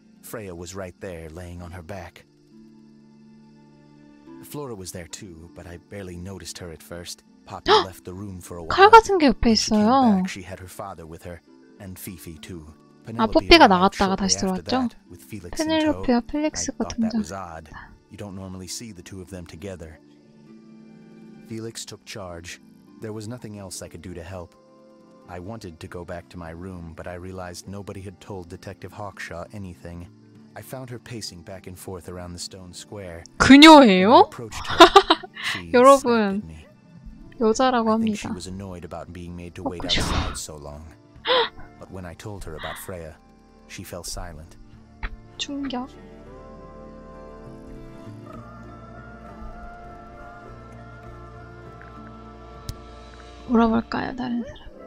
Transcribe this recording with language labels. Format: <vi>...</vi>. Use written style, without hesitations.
<en>Freya was right there, laying on her back. Flora was there too, but I barely noticed her at first. Poppy left the room for a while.</en> <ko>칼 같은 게 옆에 있어요.</ko> <en>She came back, she had her father with her, and Fifi too.</en> <ko>아, 포피가 나갔다가 다시 들어왔죠? 페넬로페와 펠릭스가 등장.</ko> <en>You don't normally see the two of them together. Felix took charge. There was nothing else I could do to help. I wanted to go back to my room, but I realized nobody had told Detective Hawkshaw anything. I found her pacing back and forth around the stone square.</en> <ko>그녀예요? 여러분, 여자라고 합니다.</ko> <en>I think she was annoyed about being made to wait outside so long. But when I told her about Freya, she fell silent.</en> <ko>충격. 물어볼까요, 다른 사람?</ko>